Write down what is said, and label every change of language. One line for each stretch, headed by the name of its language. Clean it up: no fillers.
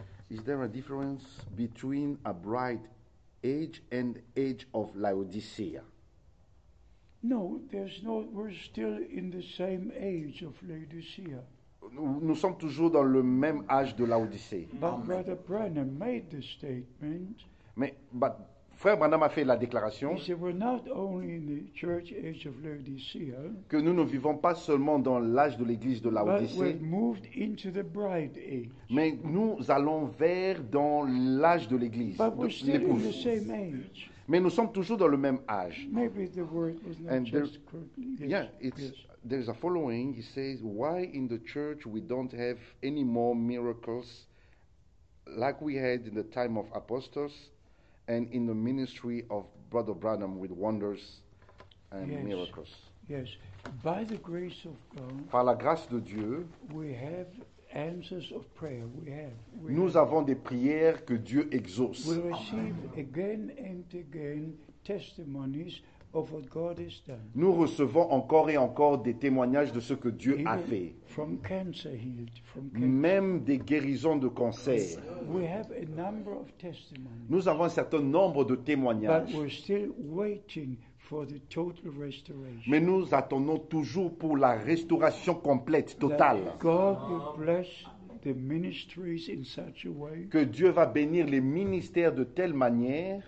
English: Is there a difference between a bride age and age of Laodicea? No, there's no, we're still in the same age of Laodicea.
French: Nous sommes toujours dans le même âge de Laodicée.
English: But Branham made the statement.
French: Mais Frère Branham a fait la déclaration.
English: He said, we're not only in the church age of Laodicea,
French: que nous ne vivons pas seulement dans l'âge de l'église de Laodicée.
English: But we've moved into the bride age.
French: Mais nous allons vers dans l'âge de l'église.
English: But
French: de
English: we're still
French: l'épouse.
English: In the same age.
French: Mais nous sommes toujours dans le même âge.
English: Maybe the word was not and just there, correctly. Yes, yeah, it's... Yes. There is a following. He says, why in the church we don't have any more miracles like we had in the time of apostles and in the ministry of Brother Branham with wonders and yes. miracles. Yes, by the grace of God,
French: par la grâce de Dieu,
English: we have answers of prayer. We
French: nous
English: have.
French: Avons des prières que Dieu exauce.
English: We receive again and again testimonies of what God has done.
French: Nous recevons encore et encore des témoignages de ce que Dieu
English: even
French: a fait.
English: From cancer healed, from cancer.
French: Même des guérisons de cancer.
English: We have a number of testimonies.
French: Nous avons un certain nombre de témoignages.
English: But we're still waiting for the total restoration.
French: Mais nous attendons toujours pour la restauration complète, totale.
English: That God will bless the ministries in such a way,
French: que Dieu va bénir les ministères de telle manière